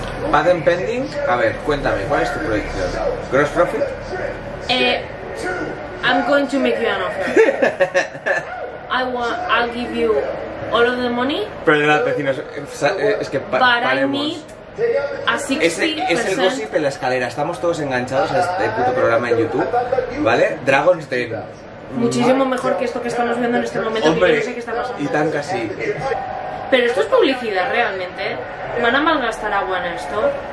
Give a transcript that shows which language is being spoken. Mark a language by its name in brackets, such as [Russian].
[English] ¿Patent pending? [Spanish] A ver, cuéntame, ¿cuál es tu proyección? [English] ¿Gross profit? I'm going to make you an offer. I'll give you all of the money. [Spanish] Pero de nada, vecinos, es que paremos. Es el gossip en la escalera. Estamos todos enganchados a este puto programa en YouTube, ¿vale? Dragon's Den. Muchísimo mejor que esto que estamos viendo en este momento. Hombre, que yo no sé qué está pasando. Y tan casi. Pero esto es publicidad, realmente. ¿Van a malgastar agua en esto?